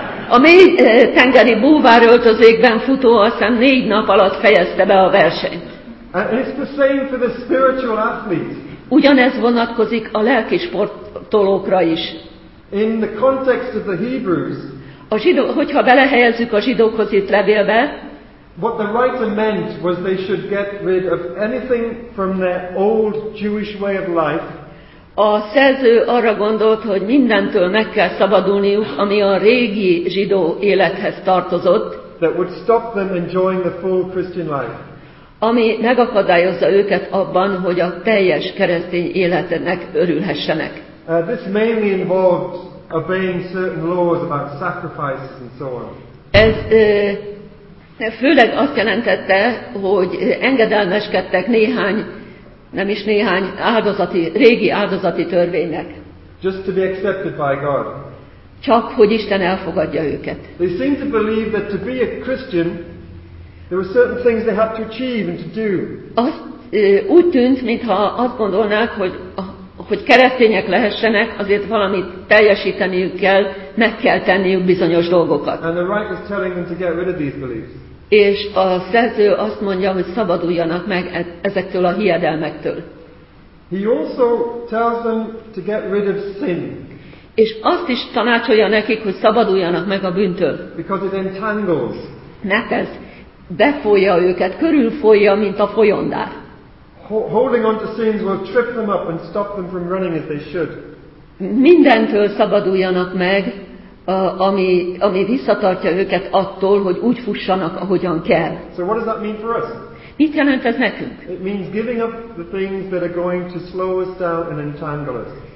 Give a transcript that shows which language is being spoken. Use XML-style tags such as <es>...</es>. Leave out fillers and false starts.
<hu>A mély tengeri búvár öltözékben futó aztán 4 nap alatt fejezte be a versenyt.</hu> <en>And it's the same for the spiritual athlete.</en> <hu>Ugyanez vonatkozik a lelki sportolókra is.</hu> <en>In the context of the Hebrews,</en> <hu>a zsidó, hogyha belehelyezzük a zsidókhoz itt levélbe,</hu> <en>what the writer meant was they should get rid of anything from their old Jewish way of life.</en> <hu>A szerző arra gondolt, hogy mindentől meg kell szabadulniuk, ami a régi zsidó élethez tartozott.</hu> <en>That would stop them enjoying the full Christian life.</en> <hu>Ami megakadályozza őket abban, hogy a teljes keresztény életnek örülhessenek.</hu> <en>This mainly involved obeying certain laws about sacrifices and so on.</en> <hu>Ez főleg azt jelentette, hogy engedelmeskedtek néhány, nem is néhány áldozati, régi áldozati törvénynek.</hu> <en>Just to be accepted by God.</en> <hu>Csak hogy Isten elfogadja őket.</hu> <en>They seem to believe that to be a Christian, there were certain things they had to achieve and to do.</en> <hu>Úgy tűnt, mintha azt gondolnák, hogy keresztények lehessenek, azért valamit teljesíteniük kell, meg kell tenniük bizonyos dolgokat.</hu> <en>And the writer's telling them to get rid of these beliefs.</en> <hu>És a szerző azt mondja, hogy szabaduljanak meg ezektől a hiedelmektől.</hu> <en>He also tells them to get rid of sin.</en> <hu>És azt is tanácsolja nekik, hogy szabaduljanak meg a bűntől.</hu> <en>Because it entangles.</en> <hu>Mert ez befolja őket, körülfolja, mint a folyondár.</hu> <en>Holding on to sins will trip them up and stop them from running as they should.</en> <hu>Mindentől szabaduljanak meg, ami visszatartja őket attól, hogy úgy fussanak, ahogyan kell.</hu> <en>So what does that mean for us?</en> <hu>Mit jelent ez nekünk?</hu> <en>It means giving up the things that are going to slow us down and entangle us.</en>